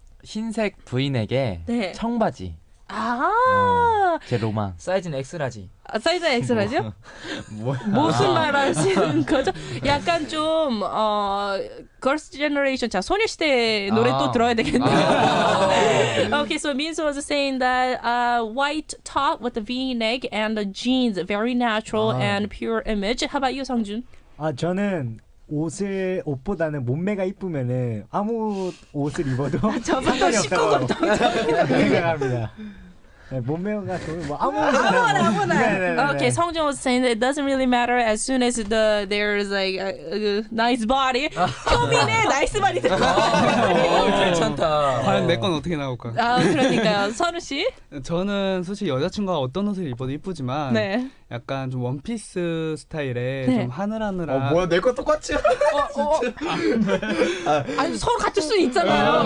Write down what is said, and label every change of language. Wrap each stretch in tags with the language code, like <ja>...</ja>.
<ko>흰색 부인에게 네. 청바지. 아, 제 로망. 사이즈는 X라지. 아, 사이즈는 X라지요? 뭐야? 무슨 말 하시는 거죠? 약간 좀, Girls Generation. 자, 소녀시대 노래 또 들어야 되겠네요.</ko> <en>Okay, so Minzu was saying that white top with a V-neck and the jeans. Very natural and pure image. How about you, 성준?</en> <ko>아, 저는 옷보다는 몸매가 이쁘면은 아무 옷을 입어도 저부터 시끄럽다. 네, 몸매가 좋은 뭐 아무나. 네.</ko> <en>Okay, Songjun was saying that it doesn't really matter as soon as there's like a nice body.</en> <ko>효민의</ko> <en>nice body.</en> <ko>괜찮다. 과연 내 건 어떻게 나올까? 아, 그러니까요. 선우 씨. 저는 사실 여자친구가 어떤 옷을 입어도 이쁘지만. 네. 약간 좀 원피스 스타일에 네. 좀 하늘하늘한 뭐야 내 거 똑같지? 아니 서로 같을 수 있잖아요.</ko>